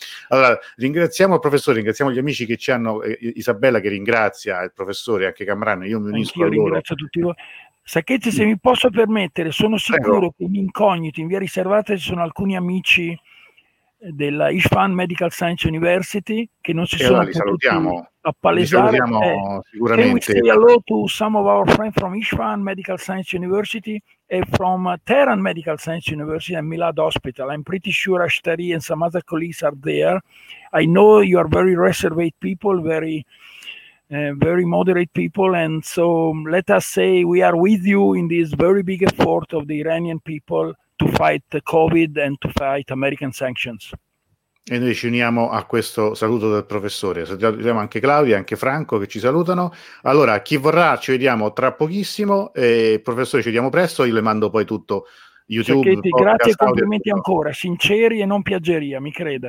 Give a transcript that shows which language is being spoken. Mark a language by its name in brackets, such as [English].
[Italian] Allora, ringraziamo il professore, ringraziamo gli amici che ci hanno, Isabella che ringrazia il professore, anche Camrano, io mi unisco a loro. Ringrazio tutti voi. Sacchetti, se mi posso permettere, sono sicuro che in incognito, in via riservata, ci sono alcuni amici della Isfahan Medical Science University che non si e sono potuti appalesare. Li salutiamo sicuramente. [English] Can we say hello to some of our friends from Isfahan Medical Science University and from Tehran Medical Science University and Milad Hospital. I'm pretty sure Ashtari and some other colleagues are there. I know you are very reserved people, very... very moderate people, and so let us say we are with you in this very big effort of the Iranian people to fight the COVID and to fight American sanctions. [Italian] E noi ci uniamo a questo saluto del professore. Salutiamo anche Claudia, anche Franco che ci salutano. Allora, chi vorrà, ci vediamo tra pochissimo. Professore, ci vediamo presto. Io le mando poi tutto YouTube. Cicchetti, grazie e complimenti ancora, sinceri e non piaggeria, mi creda.